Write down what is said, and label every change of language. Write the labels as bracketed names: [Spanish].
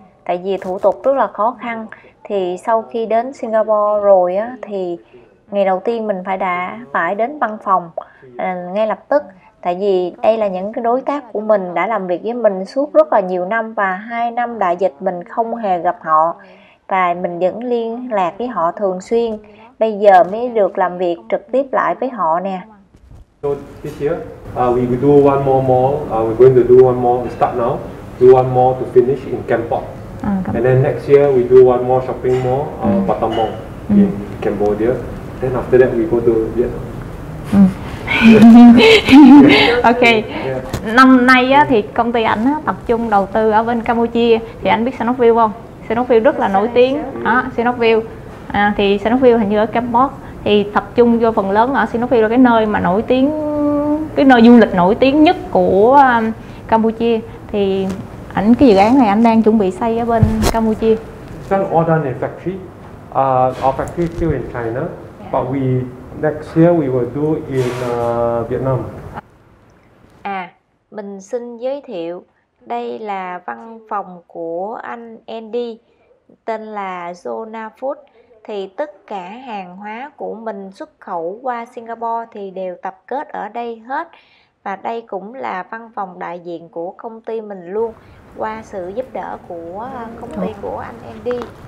[Vietnamese] Tại vì thủ tục rất là khó khăn, thì sau khi đến Singapore rồi á, thì ngày đầu tiên mình phải đến văn phòng ngay lập tức. Tại vì đây là những cái đối tác của mình đã làm việc với mình suốt rất là nhiều năm, và 2 năm đại dịch mình không hề gặp họ và mình vẫn liên lạc với họ thường xuyên. Bây giờ mới được làm việc trực tiếp lại với họ nè. [English] So this year, we do one more mall. We're going to do one more. We start now. Do one more to finish in Kempot. And then next year, we do one more shopping mall, Pattern Mall in Cambodia. Then after that, we go to Vietnam. [Vietnamese] Ok, năm nay á, thì công ty ảnh tập trung đầu tư ở bên Campuchia. Thì anh biết Sinovel không? Sinovel rất là nổi tiếng đó, Sinovel. À, thì Sinovel hình như ở Campot thì tập trung vô phần lớn ở Sinovel, là cái nơi mà nổi tiếng, cái nơi du lịch nổi tiếng nhất của Campuchia. Thì ảnh cái dự án này anh đang chuẩn bị xây ở bên Campuchia. [English] All done in factory. Our factory is still in China, but we next year we will do in Vietnam. [Vietnamese] À, mình xin giới thiệu, đây là văn phòng của anh Andy, tên là Zona Food. Thì tất cả hàng hóa của mình xuất khẩu qua Singapore thì đều tập kết ở đây hết. Và đây cũng là văn phòng đại diện của công ty mình luôn, qua sự giúp đỡ của công ty của anh Andy.